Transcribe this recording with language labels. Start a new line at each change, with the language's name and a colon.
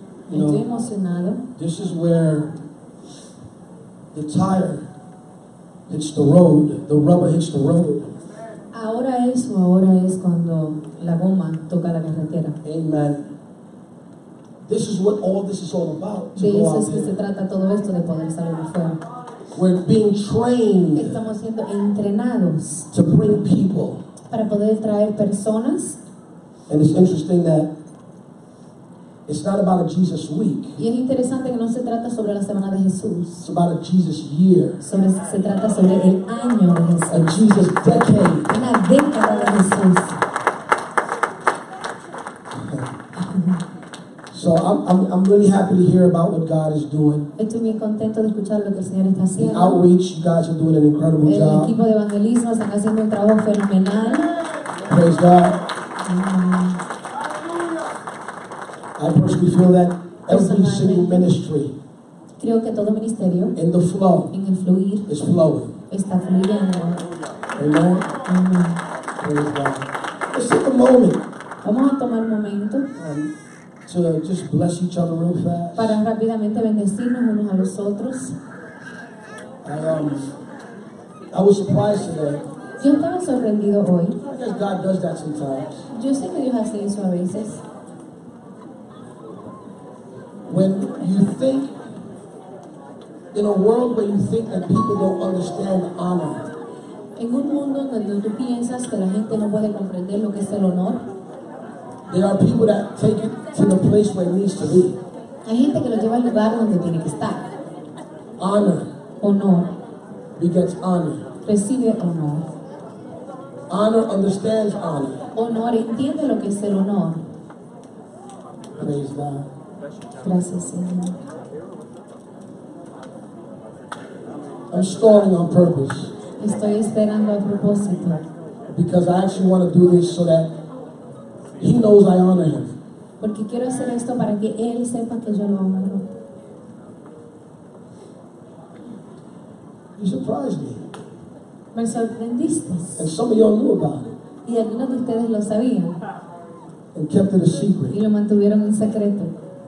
English: This is where the tire hits the road, the rubber hits the road.
Spanish: Ahora es cuando la goma toca la carretera.
English: Amen. This is what all this is all about.
Spanish: De eso es que se trata todo esto de poder salir afuera.
English: We're being trained.
Spanish: Estamos siendo entrenados.
English: To bring people.
Spanish: Para poder traer personas.
English: And it's interesting that it's not about a Jesus week.
Spanish: Y es interesante que no se trata sobre la semana de Jesús.
English: It's about a Jesus year.
Spanish: Se trata sobre el año de Jesús.
English: A Jesus decade.
Spanish: Una década de Jesús.
English: So I'm really happy to hear about what God is doing.
Spanish: Estoy muy contento de escuchar lo que el Señor está haciendo.
English: The outreach, you guys are doing an incredible
Spanish: el
English: job.
Spanish: El equipo de evangelismo están haciendo un trabajo fenomenal.
English: Praise God. I personally feel that every single ministry
Spanish: creo que todo ministerio
English: in the flow
Spanish: en el fluir
English: is flowing.
Spanish: Está fluyendo.
English: Amen. Amen. Praise God. Let's take a moment.
Spanish: Vamos a tomar un momento
English: to just bless each other real fast.
Spanish: Para rápidamente bendecirnos unos a los otros.
English: I was surprised today.
Spanish: Yo estaba sorprendido hoy.
English: I guess God does that sometimes.
Spanish: Yo sé que Dios hace eso a veces.
English: When you think in a world where you think that people don't understand honor,
Spanish: en un mundo donde tú piensas que la gente no puede comprender lo que es el honor,
English: there are people that take it to the place where it needs to be.
Spanish: Hay gente que lo lleva al lugar donde tiene que estar.
English: Honor,
Spanish: honor,
English: begets honor,
Spanish: recibe honor.
English: Honor understands honor.
Spanish: Honor entiende lo que es el honor.
English: Praise God.
Spanish: Gracias, Señor.
English: I'm starting on purpose.
Spanish: Estoy esperando a propósito.
English: Because I actually want to do this so that he knows I honor him.
Spanish: Porque quiero hacer esto para que él sepa que yo lo amo.
English: You surprised me.
Spanish: Me sorprendiste.
English: And some of y'all knew about it.
Spanish: Y algunos de ustedes lo sabían.
English: And kept it a secret.
Spanish: Y lo mantuvieron en secreto.